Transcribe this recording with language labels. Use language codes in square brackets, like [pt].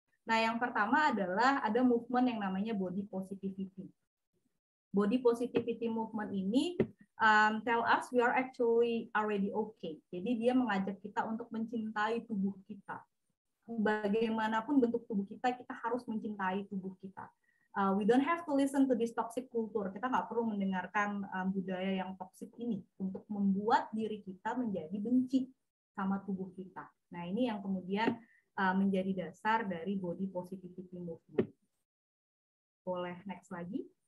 [id] Nah, yang pertama adalah ada movement yang namanya body positivity. [en] Body positivity movement ini tell us we are actually already okay. [id] Jadi dia mengajak kita untuk mencintai tubuh kita. Bagaimanapun bentuk tubuh kita harus mencintai tubuh kita. [en] We don't have to listen to this toxic culture. [id] Kita nggak perlu mendengarkan budaya yang toxic ini untuk membuat diri kita menjadi benci sama tubuh kita. Nah, ini yang kemudian menjadi dasar dari body positivity movement. Boleh next lagi?